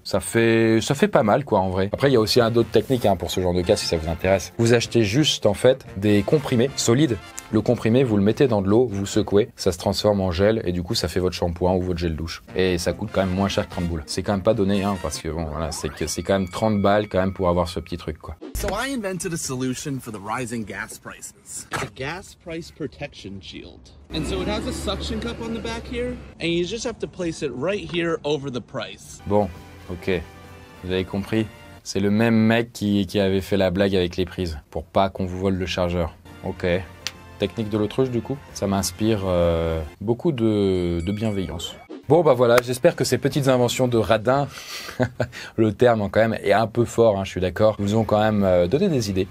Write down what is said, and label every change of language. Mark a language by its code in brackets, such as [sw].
[fr] Ça fait pas mal, quoi, en vrai. Après, il y a aussi un autre technique hein, pour ce genre de cas si ça vous intéresse. Vous achetez juste en fait des comprimés solides. Le comprimé, vous le mettez dans de l'eau, vous secouez, ça se transforme en gel et du coup ça fait votre shampoing ou votre gel douche. Et ça coûte quand même moins cher que 30 boules. C'est quand même pas donné hein, parce que bon voilà, c'est quand même 30 balles quand même pour avoir ce petit truc quoi. [en] So I invented a solution for the rising gas prices. A gas price protection shield. And so it has a suction cup on the back here and you just have to place it right here over the price. [fr] Bon, ok, vous avez compris? C'est le même mec qui avait fait la blague avec les prises, pour pas qu'on vous vole le chargeur. Ok. Technique de l'autruche, du coup. Ça m'inspire beaucoup de bienveillance. Bon, bah voilà, j'espère que ces petites inventions de radin, le terme quand même est un peu fort, hein, je suis d'accord, vous ont quand même donné des idées.